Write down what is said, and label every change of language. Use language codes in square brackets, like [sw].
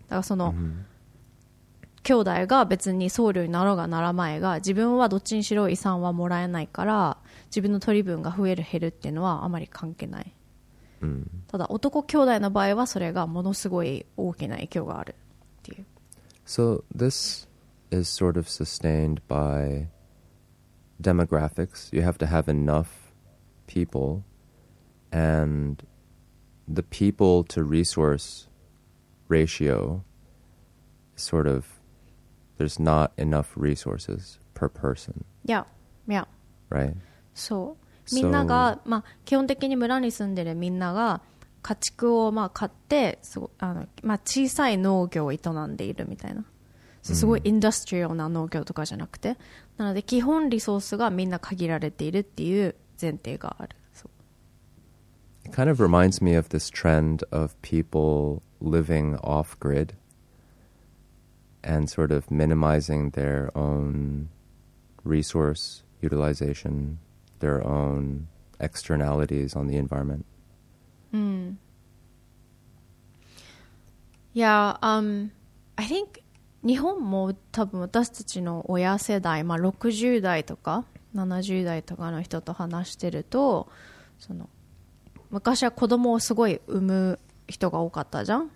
[ja] だからその、うん、兄弟が別に僧侶になろうがならまいが、自分はどっちにしろ遺産はもらえないから、自分の取り分が増える減るっていうのはあまり関係ない、うん、ただ男兄弟の場合はそれがものすごい大きな影響があるっていう。 [en] So this is sort of sustained by demographics. You have to have enough people, and the people to resource ratio sort of, there's not enough resources per person. Yeah, yeah. Right? [ja] So, みんなが、まあ、基本的に村に住んでるみんなが家畜を、まあ、買って、そう、あの、まあ、小さい農業を営んでいるみたいな。 So, すごいインダストリアルな農業とかじゃなくて。なので、基本リソースがみんな限られているっていう前提がある。 [en] So. It kind of reminds me of this trend of people living off-grid. And sort of minimizing their own resource utilization, their own externalities on the environment. Mm. Yeah, I think [ja] 日本も多分私たちの親世代、まあ、60代とか70代とかの人と話してると、その昔は子供をすごい産む人が多かったじゃん。